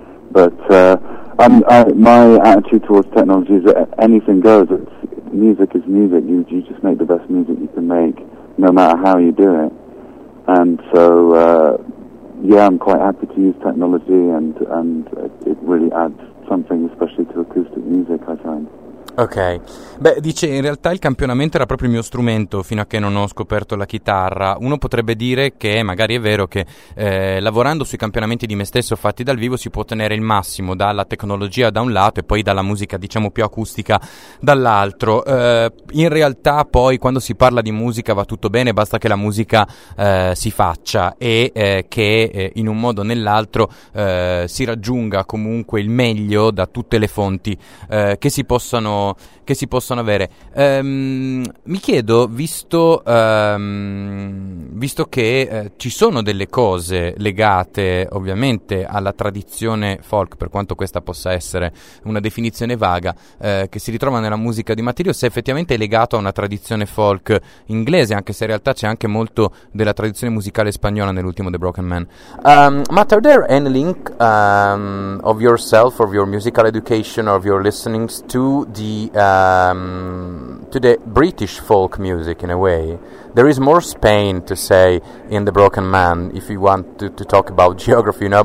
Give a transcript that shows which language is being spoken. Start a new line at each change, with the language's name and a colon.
English: But my attitude towards technology is that anything goes. It's, music is music. You just make the best music you can make, no matter how you do it. And so... Yeah, I'm quite happy to use technology, and it really adds something, especially to acoustic music, I find.
Italian: Ok, beh, dice, in realtà il campionamento era proprio il mio strumento fino a che non ho scoperto la chitarra. Uno potrebbe dire che magari è vero che lavorando sui campionamenti di me stesso fatti dal vivo si può ottenere il massimo dalla tecnologia da un lato e poi dalla musica, diciamo, più acustica dall'altro. In realtà poi quando si parla di musica va tutto bene, basta che la musica si faccia e che in un modo o nell'altro si raggiunga comunque il meglio da tutte le fonti che si possono avere. Mi chiedo, visto che ci sono delle cose legate ovviamente alla tradizione folk, per quanto questa possa essere una definizione vaga, che si ritrova nella musica di Matiliot, se effettivamente è legato a una tradizione folk inglese, anche se in realtà c'è anche molto della tradizione musicale spagnola nell'ultimo The Broken Man.
English: Matt, are there any link of yourself, of your musical education, of your listenings to the to the British folk music in a way. There is more Spain to say in The Broken Man, if you want to talk about geography, you know.